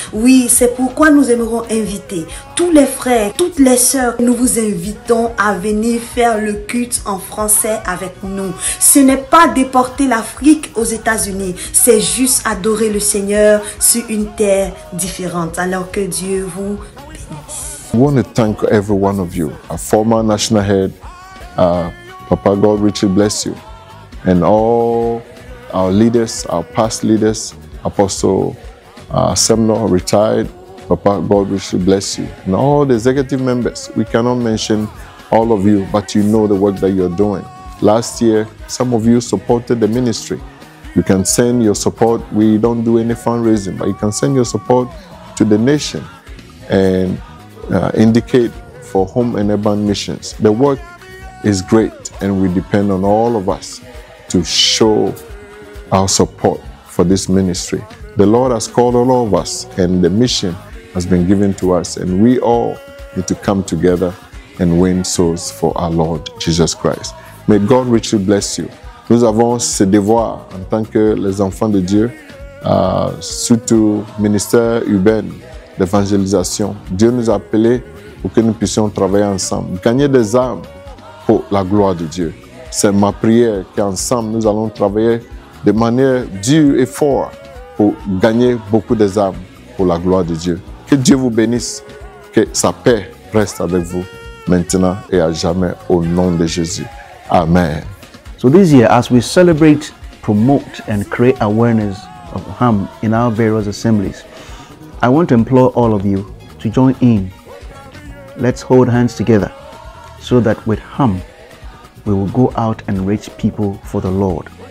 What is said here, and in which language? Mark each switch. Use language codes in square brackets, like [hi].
[fr] Oui, c'est pourquoi nous aimerons inviter tous les frères, toutes les sœurs, nous vous invitons à venir faire le culte en français avec nous. Ce n'est pas déporter l'Afrique aux États-Unis, c'est juste adorer le Seigneur sur une terre différente. Alors que Dieu vous bénisse. [en] I want to thank every one of you, a former national head, Papa God richly bless you, and all our leaders, our past leaders, Apostle Semno retired. Papa, God richly bless you. And all the executive members, we cannot mention all of you, but you know the work that you're doing. Last year, some of you supported the ministry. You can send your support. We don't do any fundraising, but you can send your support to the nation and indicate for home and urban missions. The work is great, and we depend on all of us to show our support for this ministry. The Lord has called all of us, and the mission has been given to us, and we all need to come together and win souls for our Lord Jesus Christ. May God richly bless you. [fr] Nous avons ce devoir en tant que les enfants de Dieu, surtout ministère urbain d'évangélisation. Dieu nous a appelés pour que nous puissions travailler ensemble, gagner des âmes pour la gloire de Dieu. C'est ma prière qu'ensemble nous allons travailler de manière dure et forte pour gagner beaucoup des âmes pour la gloire de Dieu. Que Dieu vous bénisse, que sa paix reste avec vous maintenant et à jamais au nom de Jésus. Amen. [en] So this year, as we celebrate, promote and create awareness of HAM in our various assemblies, I want to implore all of you to join in. Let's hold hands together so that with HAM, we will go out and reach people for the Lord.